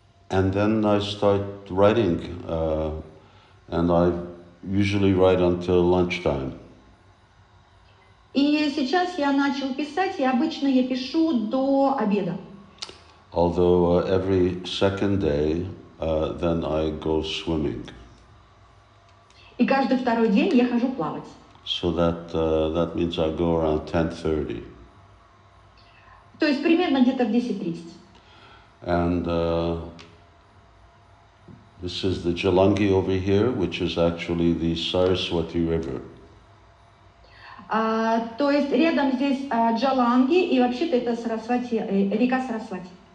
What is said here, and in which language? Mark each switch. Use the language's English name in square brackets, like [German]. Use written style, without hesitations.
[English] And then I start writing, and I usually write until lunchtime. [Russian] И сейчас я начал писать, и обычно я пишу до обеда. [English] Although every second day, then I go swimming. [Russian] И каждый второй день я хожу плавать. [English] So that means I go around 10:30. [Russian] То есть примерно где-то в 10:30. [English] And this is the Jalangi over here, which is actually the Saraswati River. [Russian] То есть рядом здесь Джаланги, и вообще-то это Сарасвати, река Сарасвати.